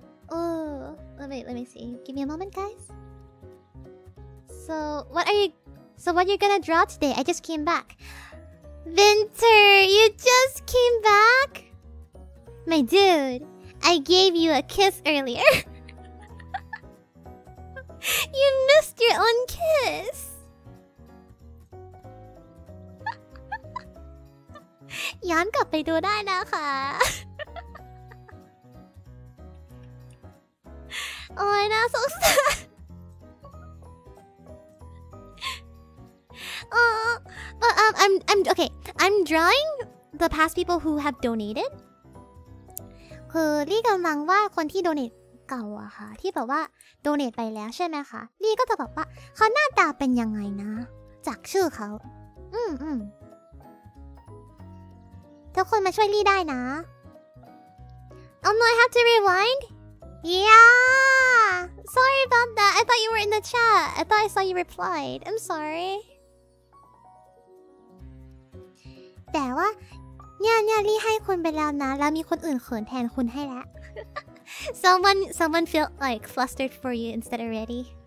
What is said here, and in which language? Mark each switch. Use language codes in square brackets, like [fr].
[en] Oh, let me see. Give me a moment, guys. So what are you gonna draw today? I just came back. Winter, you just came back? My dude, I gave you a kiss earlier. You missed your own kiss. [th] ย้อนกลับไปดูได้นะคะโอ้ยน่าสงสาร [en] But I'm drawing the past people who have donated. [th] คือลี่กำลังว่าคนที่ donate เก่าอะค่ะที่แบบว่า donate ไปแล้วใช่ไหมคะลี่ก็จะแบบว่าเขาหน้าตาเป็นยังไงนะจากชื่อเขาทุกคนมาช่วยลี่ได้นะ [en] I have to rewind. Yeah. Sorry about that. I thought you were in the chat. I thought I saw you replied. I'm sorry [th] แต่ว่าเนี่ยลี่ให้คุณไปแล้วนะแล้วมีคนอื่นเขินแทนคุณให้แล้ว [en] someone feel like flustered for you instead already